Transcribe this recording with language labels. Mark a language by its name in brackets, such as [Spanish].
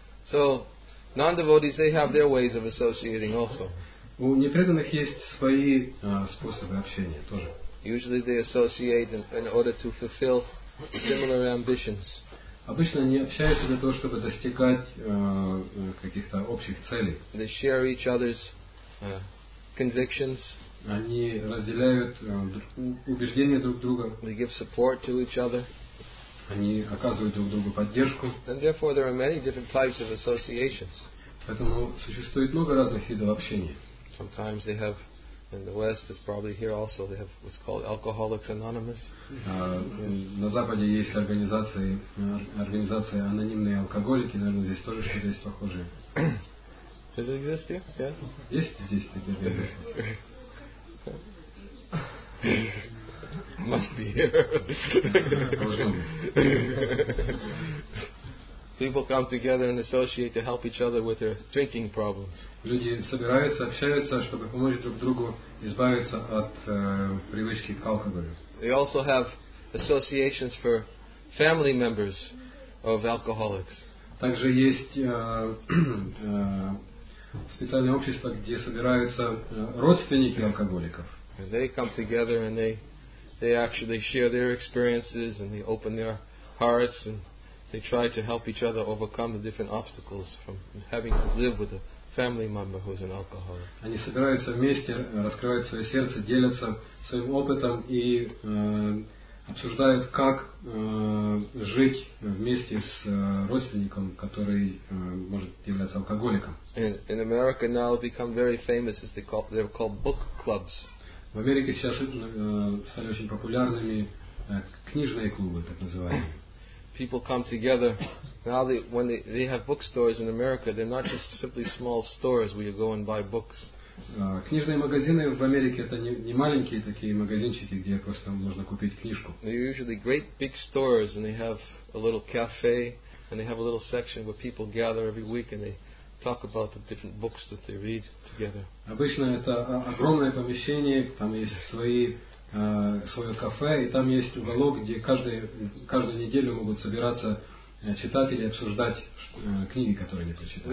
[English] So, non-devotees, they have their ways of associating also. [Russian] У непреданных есть свои способы общения тоже. [English] Usually they associate in order to fulfill similar ambitions. [Russian] Обычно они общаются для того, чтобы достигать каких-то общих целей. [English] They share each other's convictions. [Russian] Они разделяют убеждения друг друга. [English] They give support to each other. [Russian] Они оказывают друг другу поддержку. [English] And therefore there are many different types of associations. [Russian] Поэтому существует много разных видов общения. [English] Sometimes they have, in the West, it's probably here also, they have what's called Alcoholics Anonymous. [Russian] На Западе есть организации, организация анонимные алкоголики, наверное, здесь тоже что-то есть похожее. [English] Does it exist here? Yeah. [Russian] Есть здесь такие организации? [English] Must be here. People come together and associate to help each other with their drinking problems. [Russian] Люди собираются, общаются, чтобы помочь друг другу избавиться от привычки к алкоголю. [English] They also have associations for family members of alcoholics. [Russian] Также есть специальное общество, где собираются родственники алкоголиков. [English] And they come together and they actually share their experiences and they open their hearts and they try to help each other overcome the different obstacles from having to live with a family member who is an alcoholic. [Russian] Они собираются вместе, раскрывают свое сердце, делятся своим опытом и обсуждают, как жить вместе с родственником, который может являться алкоголиком. [English] In America now they've become very famous as they're called book clubs. [Russian] В Америке сейчас стали очень популярными книжные клубы, так называемые. [English] People come together. Now when they have bookstores in America, they're not just simply small stores where you go and buy books. [Russian] Книжные магазины в Америке это не маленькие такие магазинчики, где просто можно купить книжку. [English] They're usually great big stores, and they have a little cafe, and they have a little section where people gather every week, and they talk about the different books that they read together. [Russian] Обычно это огромное помещение, там есть свое кафе, и там есть уголок, где каждую неделю могут собираться читатели обсуждать книги, которые они прочитали.